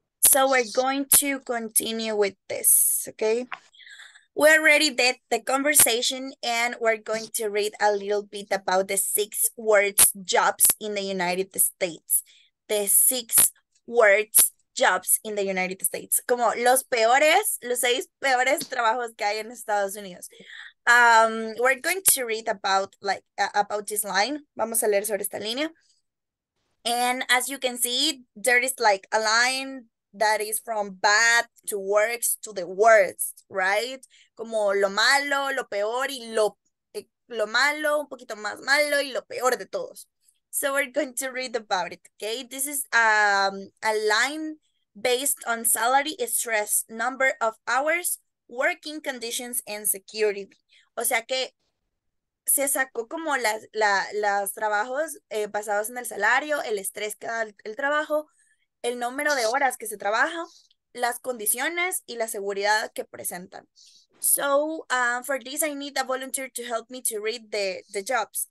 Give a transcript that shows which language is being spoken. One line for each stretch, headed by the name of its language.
English: So we're going to continue with this, okay? We already did the conversation and we're going to read a little bit about the six words jobs in the United States. The six words jobs in the United States.
Spanish: Como los peores, los seis peores trabajos que hay en Estados Unidos.
English: We're going to read about like about this line.
Spanish: Vamos a leer sobre esta línea.
English: And as you can see, there is like a line that is from bad to worse to the worst, right?
Spanish: Como lo malo, lo peor y lo malo, un poquito más malo y lo peor de todos.
English: So we're going to read about it, okay? This is a line based on salary, stress, number of hours, working conditions, and security.
Spanish: O sea que se sacó como los trabajos basados en el salario, el estrés que da el trabajo, el número de horas que se trabaja, las condiciones y la seguridad que presentan.
English: So, for this, I need a volunteer to help me to read the jobs.